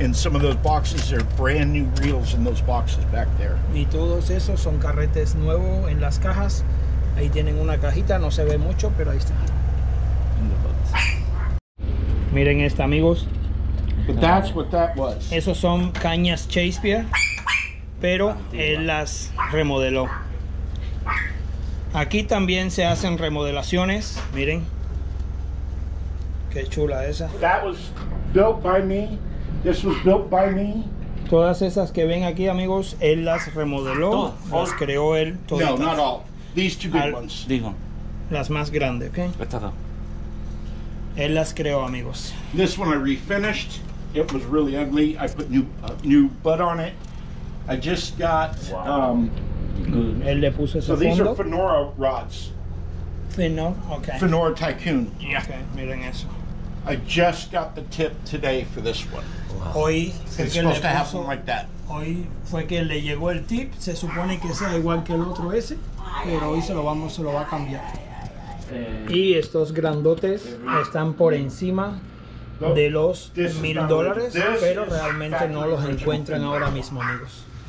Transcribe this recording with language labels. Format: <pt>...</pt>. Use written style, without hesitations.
<en>And some of those boxes are brand new reels in those boxes back there.</en> <es>Y todos esos son carretes nuevos en las cajas. Ahí tienen una cajita, no se ve mucho, pero ahí está.</es> <en>In the box.</en> <es>Miren esta, amigos.</es> <en>But that's what that was.</en> <es>Esos son cañas Shakespeare, pero antigua. Él las remodeló. Aquí también se hacen remodelaciones. Miren. Qué chula esa.</es> <en>That was built by me. This was built by me.</en> <es>Todas esas que ven aquí, amigos, él las remodeló. Todo. Las creó él. Toditas.</es> <en>No, not all. These two good ones.</en> <es>Digo. Las más grandes, ¿ok? Estas dos. Él las creó, amigos.</es> <en>This one I refinished. It was really ugly. I put new butt on it. I just got... Wow.</en> <es>Good. Él le puso ese</es> <en>so</en> <es>fondo.</es> <en>These are Fenora rods. Fenora, okay. Fenora Tycoon. Yeah.</en> <es>Okay, miren eso.</es> <en>I just got the tip today for this one.</en> <es>Wow. Hoy</es> <en>it's supposed to happen like that.</en> <es>Hoy fue que le llegó el tip. Se supone que sea igual que el otro ese. Pero hoy se lo va a cambiar. Y estos grandotes están por encima de los $1,000, pero realmente no los encuentran ahora mismo, amigos.</es>